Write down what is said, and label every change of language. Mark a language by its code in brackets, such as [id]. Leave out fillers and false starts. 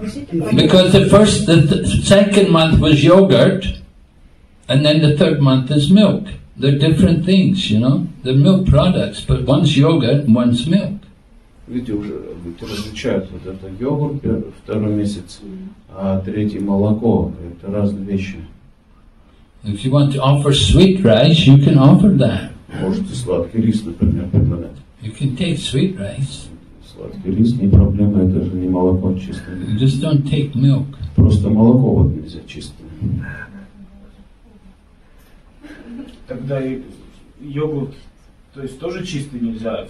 [en] Because the second month was yogurt, and then the third month is milk. They're different things, you know. They're milk products, but one's yogurt, and one's milk. [ru] Видите уже, ведь различают вот это йогурт второй месяц, а третий молоко. Это разные вещи. [en] If you want to offer sweet rice, you can offer that. [ru] Можете сладкий рис, например, предлагать. [en] You can take sweet rice. [ru] Сладкий рис не проблема, это же не молоко чистое. [en] Just don't take milk. [ru] Просто молоко вот нельзя чистое. Тогда и йогурт, то есть тоже чистый нельзя?